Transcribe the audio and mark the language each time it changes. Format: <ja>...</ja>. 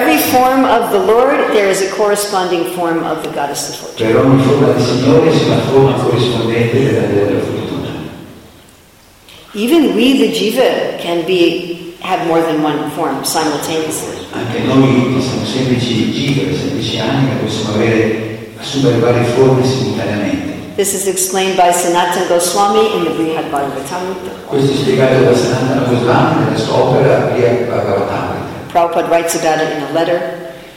<en>Corresponding form of the goddess of fortune.</en> <it>Per ogni forma di signore c'è la forma corrispondente della della fortuna.</it> <en>Even we, the jiva, can be have more than one form simultaneously.</en> <it>Anche noi che siamo semplici jiva, semplici anima, possiamo avere assumere varie forme simultaneamente.</it> <en>This is explained by Sanatana Goswami in the Brihad Bhagavatamrita.</en> <it>Questo è spiegato da Sanatana Goswami nella sua opera Brihad Bhagavatamrita.</it> <en>Prabhupada writes about it in a letter.</en>